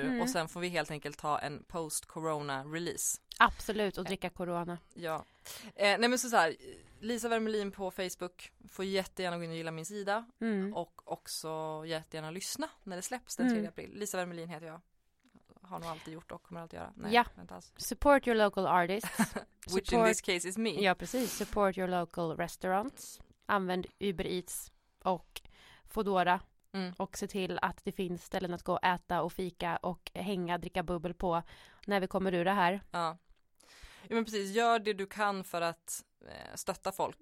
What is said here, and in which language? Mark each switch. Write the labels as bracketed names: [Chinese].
[Swedish] Mm. Och sen får vi helt enkelt ta en post-corona-release. Absolut, och dricka corona. Ja. Lisa Wermelin på Facebook, får jättegärna gå in och gilla min sida. Mm. Och också jättegärna lyssna när det släpps den 3 april. Lisa Wermelin heter jag. Har nog alltid gjort och kommer alltid göra. Nej, yeah. Vänta alls. [English] Support your local artists. Which support, in this case is me. [Swedish] Ja, precis. [English] Support your local restaurants. [Swedish] Använd Uber Eats och Foodora. Mm. Och se till att det finns ställen att gå och äta och fika och hänga, dricka bubbel på när vi kommer ur det här. Ja, ja men precis. Gör det du kan för att stötta folk.